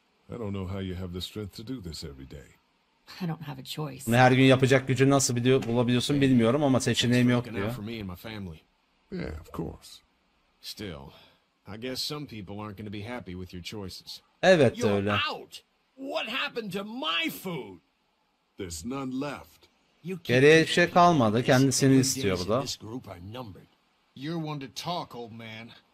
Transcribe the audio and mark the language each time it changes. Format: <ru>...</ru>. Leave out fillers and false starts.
<en>I don't know how you have the strength to do this every day. I don't have a choice.</en> <tr>Bunu her gün yapacak gücü nasıl bulabiliyorsun bilmiyorum ama seçeneğim yok diyor.</tr> <en>Yeah, of course. Still. I guess some people aren't going to be happy with your choices.</en> <tr>Evet,</tr> <en>you're</en> <tr>öyle.</tr> <en>Out. What happened to my food? There's none left.</en> <tr>You geriye bir şey kalmadı. Kendisini istiyor bu da. Group</tr> <en>you're one to talk, old man.</en>